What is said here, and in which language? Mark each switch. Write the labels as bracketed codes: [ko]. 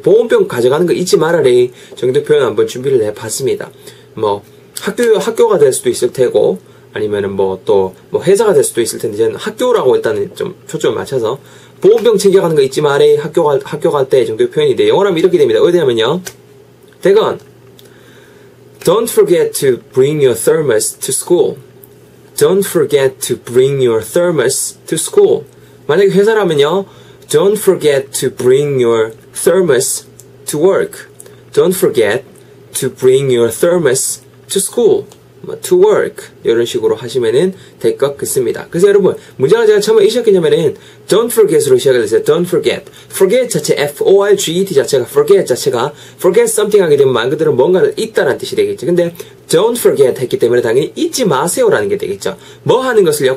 [ko] 보온병 가져가는 거 잊지 마라래 정도 표현 한번 준비를 해봤습니다. 뭐 학교가 될 수도 있을 테고, 아니면은 뭐 회사가 될 수도 있을 텐데 저는 학교라고 일단은 좀 초점을 맞춰서 보온병 챙겨가는 거 잊지 마라 학교 갈때 정도 표현인데 영어로 하면 이렇게 됩니다. 어디냐면요, 대건 [en] Don't forget to bring your thermos to school. Don't forget to bring your thermos to school. [ko] 만약에 회사라면요. [en] Don't forget to bring your thermos to work. Don't forget to bring your thermos to school. To work. [ko] 이런 식으로 하시면 될 것 같습니다. 그래서 여러분, 문장을 제가 처음에 이해하셨냐면은 Don't forget으로 시작을 했어요. [en] Don't forget. [ko] Forget 자체, F-O-R-G-E-T 자체가 forget 자체가 [en] forget something [ko] 하게 되면 말 그대로 뭔가를 잊다라는 뜻이 되겠죠. 근데 [en] Don't forget [ko] 했기 때문에 당연히 잊지 마세요라는 게 되겠죠. 뭐 하는 것을요?